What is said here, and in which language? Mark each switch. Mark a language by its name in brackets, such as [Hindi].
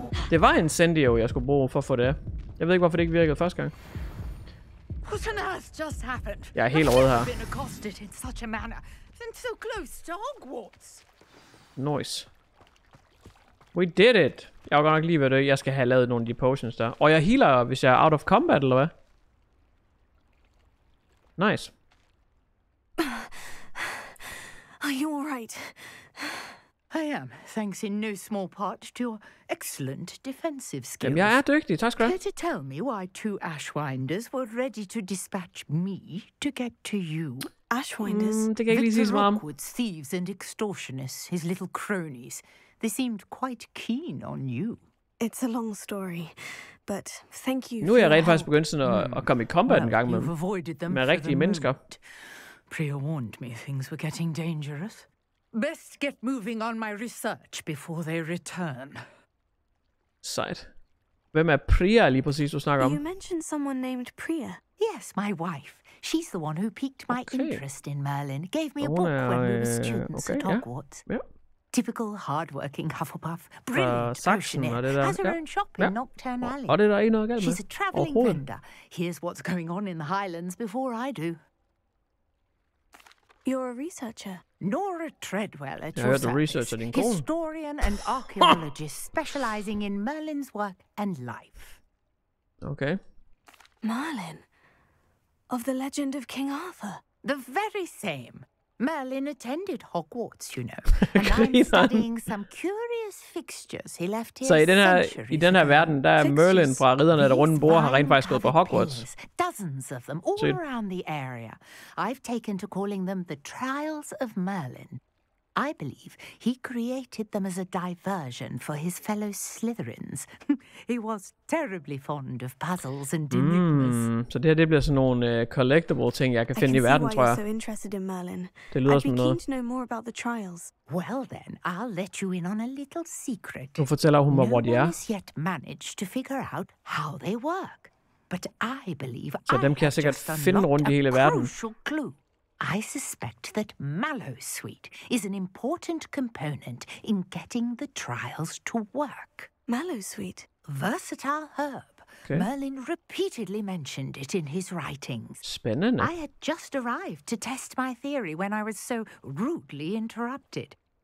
[Danish] Det var en incendio, jeg skulle bruge for at få det. Jeg ved ikke, hvorfor det ikke virkede første gang. [English] What on earth just happened? [Danish] Jeg er helt rød her. [English] Been accosted in such a manner, then so close to Hogwarts. Nice. We did it. [Danish] Jeg var godt nok lige ved det. Jeg skal have lavet nogle af de potions der. Og jeg healer, hvis jeg er [English] out of combat, [Danish] eller hvad? Nice. [English] Are you all right? I am, thanks in no small part to your excellent defensive skills. [Danish] Jamen, jeg er dygtig, tak skal du have. [English] Can you tell me why two Ashwinders were ready to dispatch me to get to you? Ashwinders? [Danish] Det kan jeg ikke lige sige, mom. [English] Rockwood's thieves and extortionists, his little cronies. They seemed quite keen on you. It's a long story, but thank you. [Danish] Nu er jeg rent faktisk begyndt sådan at komme i combat en gang med rigtige mennesker. [English] Priya warned me things were getting dangerous. Best get moving on my research before they return. [Danish] Sejt. Hvem er Priya lige præcis, du snakker om? [English] You mentioned someone named Priya. Yes, my wife. She's the one who piqued my interest in Merlin. Gave me a book when we were students at Hogwarts. Typical hardworking Hufflepuff. Brilliant potioner. Has her own shop in Nocturne Alley. [Danish] Og det der er noget galt med. [English] She's a traveling vendor. Here's what's going on in the Highlands before I do. You're a researcher. Nora Treadwell at your service. [Danish] Researcher din kone. [English] Historian and archaeologist specializing in Merlin's work and life. Okay. Merlin? Of the legend of King Arthur? The very same. Merlin attended Hogwarts, you know. And I'm studying some curious fixtures he left here centuries ago. [Danish] Så i den her verden, der er Merlin fra Ridderne af det Runde Bord har rent faktisk gået på Hogwarts. [English] Dozens of them all around the area. I've taken to calling them the Trials of Merlin. I believe he created them as a diversion for his fellow Slytherins. He was terribly fond of puzzles and enigmas. [Danish] Så det her det bliver sådan nogle collectible ting jeg kan finde i verden, tror jeg. Det lyder som noget. [English] I'd be keen to know more about the trials. Well then, I'll let you in on a little secret. [Danish] Du fortæller hun mig, hvor de er. [English] No one has yet managed to figure out how they work. But I believe [Danish] så dem kan jeg sikkert finde rundt i hele verden. [English] I suspect that mallow sweet is an important component in getting the trials to work. Mallow sweet, versatile herb. Okay. Merlin repeatedly mentioned it in his writings. Spinning. I had just arrived to test my theory when I was so rudely interrupted.